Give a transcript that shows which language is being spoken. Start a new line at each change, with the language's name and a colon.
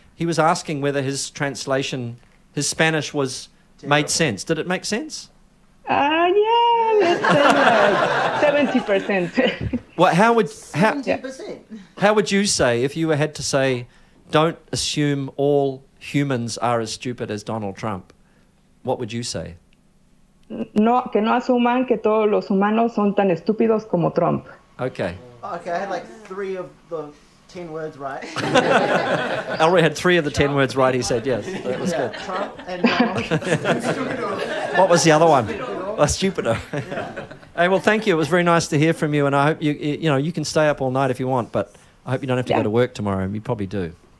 English: He was asking whether his translation, his Spanish, was terrible. Made sense. Did it make sense? Yeah, let's say 70%. Well, how would 70%? How would you say if you had to say, "Don't assume all humans are as stupid as Donald Trump"? What would you say?
Spanish: No, que no asuman que todos los humanos son tan estúpidos como Trump.
English: Okay. Okay, I had like 3 of the 10 words right. Elroy had 3 of the 10 words right, he said, yes. That was good. Trump and Donald. What was the other one? Stupider. Hey, well, thank you. It was very nice to hear from you, and I hope you know, you can stay up all night if you want, but I hope you don't have to go to work tomorrow, and you probably do.